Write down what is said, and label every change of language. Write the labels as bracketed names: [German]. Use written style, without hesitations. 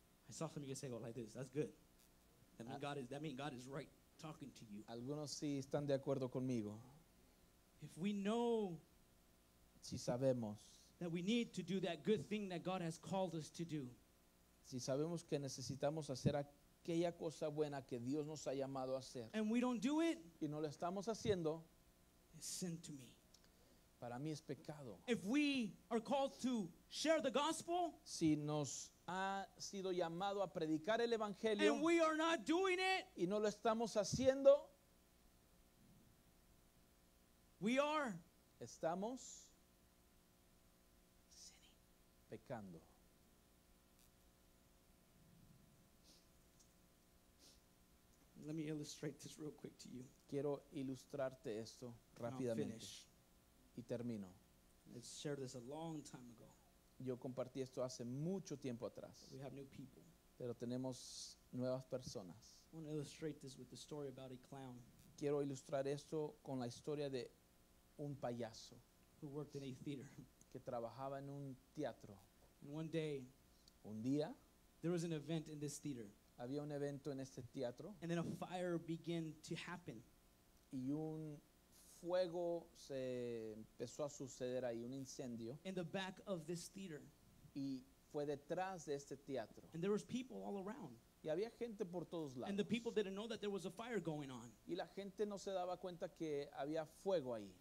[English] I saw some of you say, "Go like this." That's good. That means God is right talking to you. [Spanish] Algunos sí están de acuerdo conmigo. [English] If we know, [Spanish] si sabemos, [English] that we need to do that good thing that God has called us to do. [Spanish] Si sabemos que necesitamos hacer aquella cosa buena que Dios nos ha llamado a hacer. [English] And we don't do it. [Spanish] Y no lo estamos haciendo. [English] It's sin to me. [Spanish] Para mí es pecado. [English] If we are called to share the gospel, [Spanish] si nos ha sido llamado a predicar el evangelio, [English] and we are not doing it, [Spanish] y no lo estamos haciendo, [English] We are. [Spanish] Estamos. [English] Sinning. [Spanish] Pecando. [English] Let me illustrate this real quick to you. [Spanish] Quiero ilustrarte esto rápidamente. [English] And I'll finish. [Spanish] Y termino. [English] I shared this a long time ago. [Spanish] Yo compartí esto hace mucho tiempo atrás. [English] We have new people. [Spanish] Pero tenemos nuevas personas. [English] I want to illustrate this with the story about a clown. [Spanish] Quiero ilustrar esto con la historia de un payaso. [English] Who worked in a theater. [Spanish] Que trabajaba en un teatro. [English] And one day, [Spanish] un día, [English] there was an event in this theater. [Spanish] Había un evento en este teatro. [English] And then a fire began to happen. [Spanish] Y un fuego se empezó a suceder ahí, un incendio. [English] In the back of this theater. [Spanish] Y fue detrás de este teatro. [English] And there was people all around. [Spanish] Y había gente por todos lados. [English] And the people didn't know that there was a fire going on. [Spanish] Y la gente no se daba cuenta que había fuego ahí.